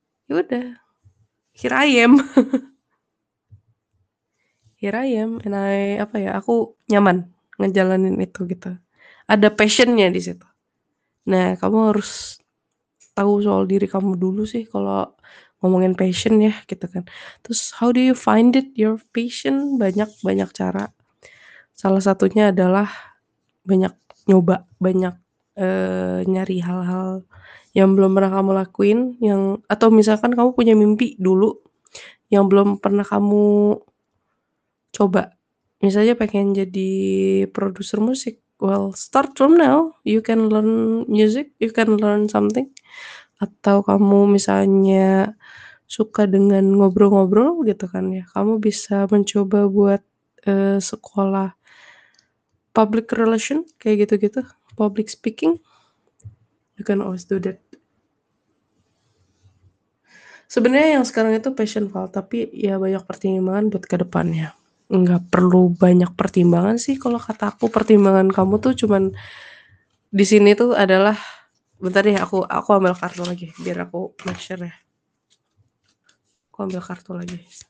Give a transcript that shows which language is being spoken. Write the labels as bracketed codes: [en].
[id] Ya udah, [en] here I am. Here I am, and I [id] apa ya, aku nyaman ngejalanin itu gitu. Ada passionnya di situ. Nah, kamu harus tahu soal diri kamu dulu sih kalau ngomongin passion ya gitu kan. Terus [en] how do you find it your passion? [id] Banyak banyak cara. Salah satunya adalah banyak nyoba, banyak nyari hal-hal yang belum pernah kamu lakuin, yang atau misalkan kamu punya mimpi dulu yang belum pernah kamu coba. Misalnya pengen jadi produser musik. [en] Well, start from now. You can learn music, you can learn something. [id] Atau kamu misalnya suka dengan ngobrol-ngobrol gitu kan ya. Kamu bisa mencoba buat sekolah public relation kayak gitu-gitu. [en] Public speaking, you can always do that. [id] Sebenarnya yang sekarang itu passion Val, tapi ya banyak pertimbangan buat kedepannya. Nggak perlu banyak pertimbangan sih, kalau kata aku pertimbangan kamu tuh cuman di sini tuh adalah, bentar deh aku ambil kartu lagi biar aku make sure ya. Aku ambil kartu lagi.